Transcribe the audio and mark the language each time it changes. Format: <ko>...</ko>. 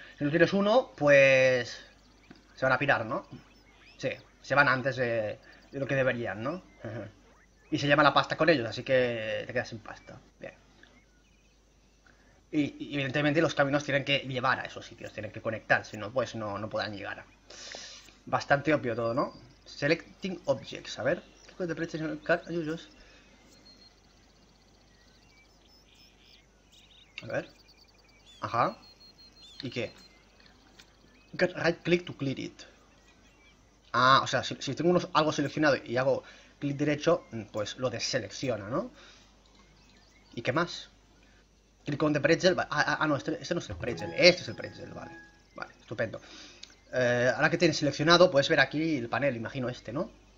<es>Si no tienes uno, pues se van a pirar, ¿no? Sí, se van antes de lo que deberían, ¿no? Y se lleva la pasta con ellos, así que te quedas sin pasta. Bien. Y evidentemente los caminos tienen que llevar a esos sitios, tienen que conectar, si no, pues no podrán llegar. Bastante obvio todo, ¿no?</es> <en>Selecting objects,</en> <es>a ver. ¿Qué te parece, señor Car? Ayúdos. A ver. Ajá. ¿Y qué?</es> <en>Get right click to clear it.</en> <es>Ah, o sea, si tengo algo seleccionado y hago clic derecho, pues lo deselecciona, ¿no? ¿Y qué más?</es> <en>Click on the pretzel.</en> <es>No, este no es el pretzel. Este es el pretzel, vale. Vale, estupendo. Ahora que tienes seleccionado, puedes ver aquí el panel, imagino este, ¿no?</es>